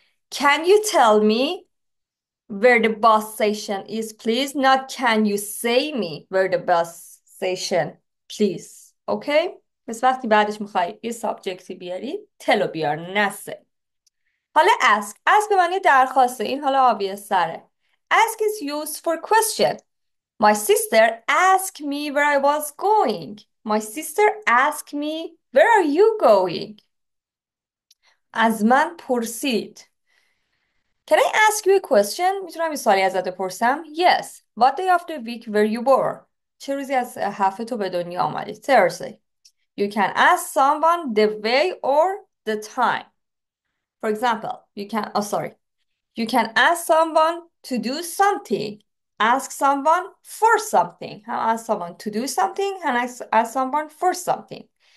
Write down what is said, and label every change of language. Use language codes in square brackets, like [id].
[en] Can you tell me where the bus station is, please? Not can you say me where the bus station, please? Okay? [fa] بس وقتی بعدش میخوای یه سابجکتی بیاری، تلو بیار، نسه. حالا ask. Ask به معنی درخواسته. این حالا obvious سره. [en] Ask is used for question. My sister asked me where I was going. My sister asked me where are you going? [fa] از من پرسید. [en] Can I ask you a question? [fa] میتونم یه سوالی ازت بپرسم؟ Yes. [en] What day of the week were you born? [fa] چه روزی از هفته تو به دنیا آمدی؟ Thursday. [en] You can ask someone the way or the time. For example, You can ask someone to do something. Ask someone for something. How ask someone to do something and ask someone for something.